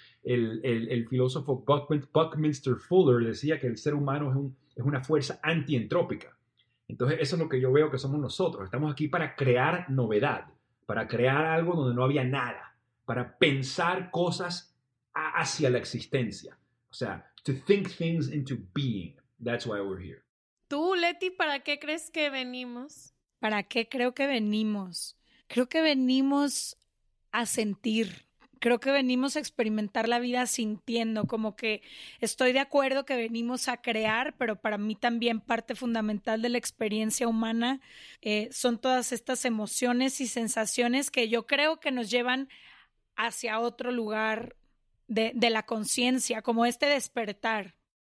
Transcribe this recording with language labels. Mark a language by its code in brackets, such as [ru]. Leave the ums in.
[es] El, el- el filósofo Buckmin- Buckminster Fuller decía que el ser humano es, un- es una fuerza antientrópica. Entonces eso es lo que yo veo que somos nosotros. Estamos aquí para crear novedad para crear algo donde no había nada, para pensar cosas a- hacia la existencia. O sea, [en] to think things into being. That's why we're here. [es] Tú, Leti, ¿para qué crees que venimos? ¿Para qué creo que venimos? Creo que venimos a sentir. Creo que venimos a experimentar la vida sintiendo, como que estoy de acuerdo que venimos a crear, pero para mí también parte fundamental de la experiencia humana eh, son todas estas emociones y sensaciones que yo creo que nos llevan hacia otro lugar de, de la conciencia, como este despertar.